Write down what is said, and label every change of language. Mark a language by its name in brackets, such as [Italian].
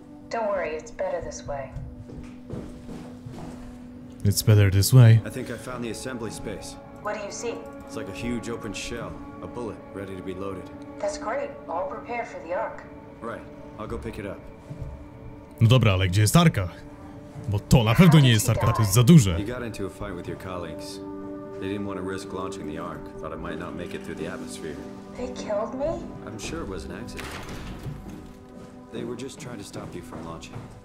[English] Don't worry, it's better this way. It's better this way. I think I found the assembly space. What do you see? It's like a huge open shell. A bullet, ready to be loaded. That's great. All prepared for the Ark. Right. I'll go pick it up. [Polish] No dobra, ale gdzie jest Arka? Bo to na pewno nie jest Arka, to jest za duże. [English] You got into a fight with your colleagues. They didn't want to risk launching the Ark. Thought it might not make it through the atmosphere. They killed me? I'm sure it was an accident. They were just trying to stop you from launching.